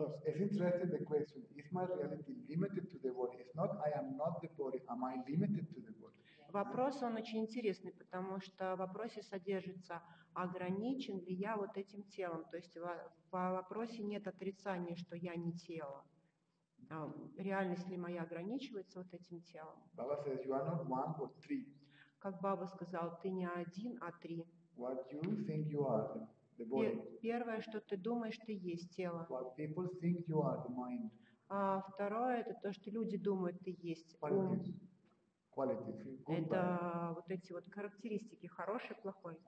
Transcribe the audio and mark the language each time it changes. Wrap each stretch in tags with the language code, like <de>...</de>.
<en>So, it's interesting the question, is my reality limited to the body? It's not, I am not the body, am I limited to the body?</en> <ru>Вопрос, он очень интересный, потому что в вопросе содержится, ограничен ли я вот этим телом? То есть в вопросе нет отрицания, что я не тело. Реальность ли моя ограничивается вот этим телом?</ru> <en>Baba says, you are not one, but three.</en> <ru>Как Баба сказал, ты не один, а три.</ru> <en>What you think you are, the body.</en> <ru>Первое, что ты думаешь, ты есть тело.</ru> <en>What people think you are, the mind.</en> <ru>А второе, это то, что люди думают, ты есть</ru> <en>qualities.</en> <ru>Ум.</ru> <en>Qualities.</en> <ru>Это вот эти вот характеристики, хороший, плохой.</ru>